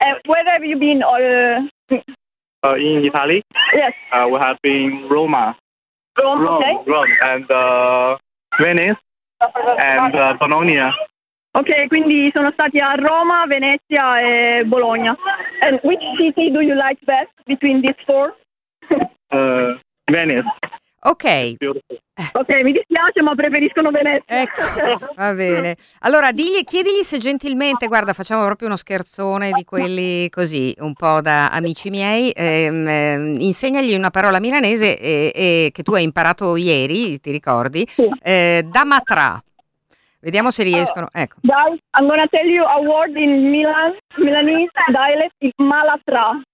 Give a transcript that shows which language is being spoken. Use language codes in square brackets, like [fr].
[en] Where have you been? In Italy? Yes. We have been Roma. Rome, okay. Rome, and Venice, and Bologna. [it] Ok, quindi sono stati a Roma, Venezia e Bologna. [en] And which city do you like best between these four? Venice. Ok. [it] Ok, mi dispiace, ma preferiscono Venezia. Ecco, va bene. Allora, chiedigli se gentilmente, guarda, facciamo proprio uno scherzone di quelli così, un po' da amici miei, insegnagli una parola milanese che tu hai imparato ieri, ti ricordi? Da matra. Vediamo se riescono. Ecco. [en] Guys, I'm gonna tell you a word in Milan, Milanese dialect, is malatra.